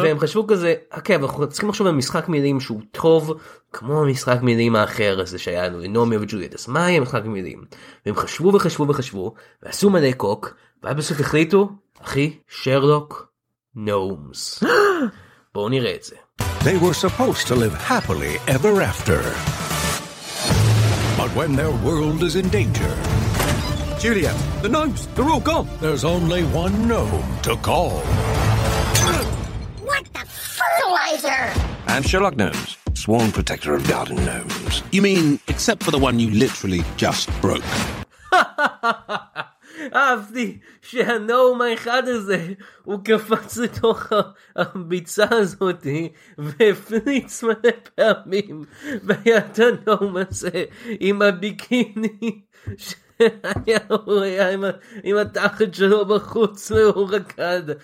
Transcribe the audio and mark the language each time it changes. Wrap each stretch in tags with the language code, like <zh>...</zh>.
<he>והם חשבו כזה, אוקיי, אבל אנחנו צריכים לחשוב על משחק מילים שהוא טוב, כמו המשחק מילים האחר הזה שהיה לנו, נומיו וג'וליאט, אז מה היה משחק מילים? והם חשבו וחשבו וחשבו, ועשו מלא קוק, ובסוף החליטו, אחי, שרלוק נומס. בואו נראה את זה.</he> <en>They were supposed to live happily ever after. But when their world is in danger. Juliet, the gnomes, they're all gone. There's only one gnome to call. I'm Sherlock Gnomes, sworn protector of garden gnomes. You mean, except for the one you literally just broke.</en> <he>אהבתי שהנאום האחד הזה, הוא קפץ לתוך הביצה הזאת והפליץ מלא פעמים, והיה את הנאום הזה עם הביקיני שהיה הוריה עם התחת שלו בחוץ להורקד.</he>